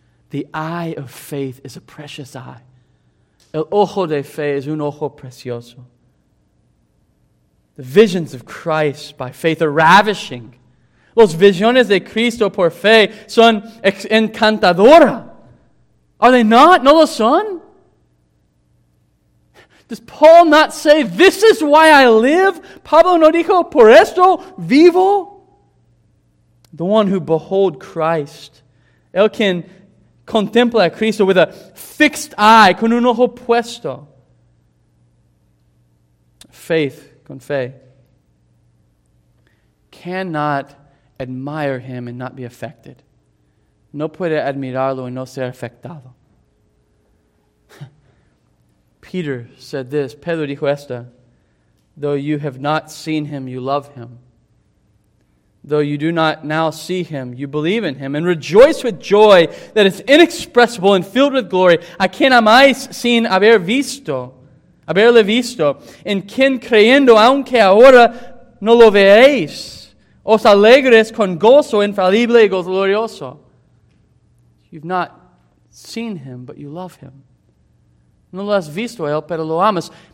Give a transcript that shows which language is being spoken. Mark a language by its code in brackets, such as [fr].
[en] The eye of faith is a precious eye. [es] El ojo de fe es un ojo precioso. [en] The visions of Christ by faith are ravishing. [es] Los visiones de Cristo por fe son encantadora. [en] Are they not? [es] No lo son? [en] Does Paul not say, this is why I live? [es] Pablo no dijo, por esto vivo? [en] The one who behold Christ, [es] él quien contempla a Cristo [en] with a fixed eye, [es] con un ojo puesto. [en] Faith, [es] con fe, [en] cannot admire him and not be affected. [es] no puede admirarlo y no ser afectado. [en] Peter said this, [es] Pedro dijo esta, [en] though you have not seen him, you love him. Though you do not now see him, you believe in him and rejoice with joy that is inexpressible and filled with glory. [es] A quien amáis sin haber visto, haberle visto, en quien creyendo aunque ahora no lo veréis, os alegres con gozo infalible y glorioso. [en] You've not seen him, but you love him. [es] No lo has visto él, pero lo amas.